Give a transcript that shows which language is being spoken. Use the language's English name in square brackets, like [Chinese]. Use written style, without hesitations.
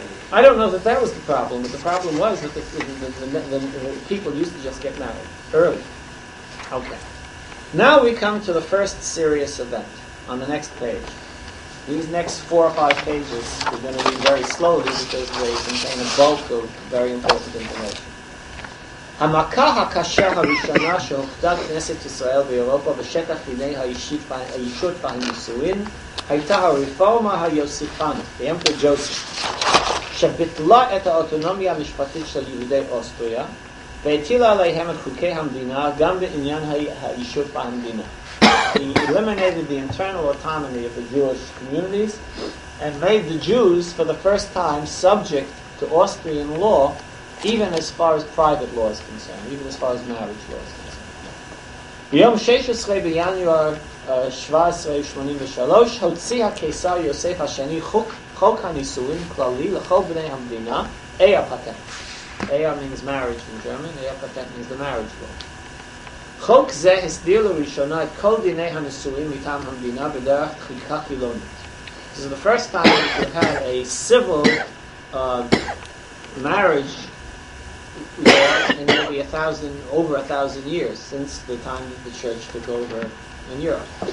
[English] I don't know that that was the problem, but the problem was that the people used to just get married early. Okay. Now we come to the first serious event on the next page. These next 4 or 5 pages are going to be very slowly because they contain a bulk of very important information. [Hebrew] המכה הקשה הראשונה שהוכתה כנסת ישראל באירופה בשטח דיני האישות והנישואין הייתה הרפורמה היוסיפנית, the Emperor Joseph, שביטלה את האוטונומיה המשפטית של יהודי אוסטריה והטילה עליהם את חוקי המדינה גם בעניין האישות והמדינה. [English] He eliminated the internal autonomy of the Jewish communities and made the Jews, for the first time, subject to Austrian law, even as far as private law is concerned, even as far as marriage law is concerned. [Hebrew] ביום 16 בינואר 1783, הוציא הקיסר יוסף השני חוק הנישואין כללי לכל בני המדינה, Eheh Patent. [English] Eheh means marriage in German, Eheh Patent means the marriage law. [Hebrew] חוק זה הסדיר לראשונה את כל דיני הנישואין מטעם המדינה בדרך דחיקה חילונית. [English] This is the first time that we had a civil marriage law in maybe over a thousand years since the time that the church took over in Europe.